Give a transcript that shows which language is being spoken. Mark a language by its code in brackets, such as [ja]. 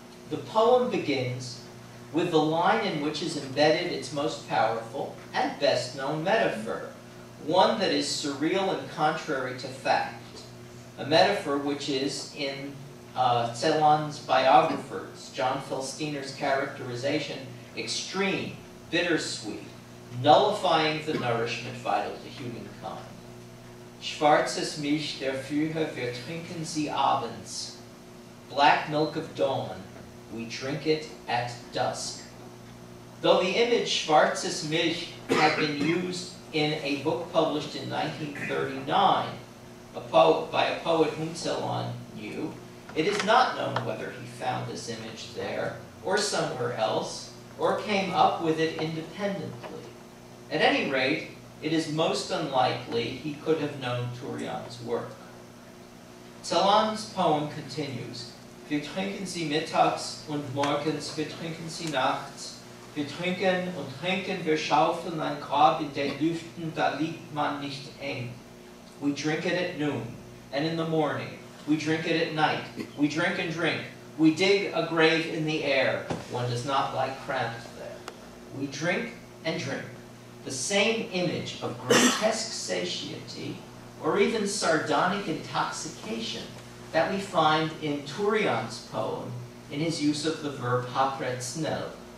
[en] The poem begins with the line in which is embedded its most powerful and best known metaphor, one that is surreal and contrary to fact, a metaphor which is in Celan's biographers, John Felstiner's characterization, extreme, bittersweet, nullifying the nourishment vital to humankind. [de] Schwarzes Milch der Frühe, wir trinken sie abends. [en] Black milk of dawn, we drink it at dusk. Though the image [de] Schwarzes Milch [en] had been used in a book published in 1939 by a poet whom Celan knew, it is not known whether he found this image there or somewhere else or came up with it independently. At any rate, it is most unlikely he could have known Tourian's work. Celan's poem continues. [de] Wir trinken sie mittags und morgens, wir trinken sie nachts. Wir trinken und trinken, wir schaufeln ein Grab in den Lüften, da liegt man nicht eng. [en] We drink it at noon and in the morning. We drink it at night. We drink and drink. We dig a grave in the air. One does not lie cramped there. We drink and drink. The same image of grotesque satiety or even sardonic intoxication that we find in Tourian's poem in his use of the verb hapretznel.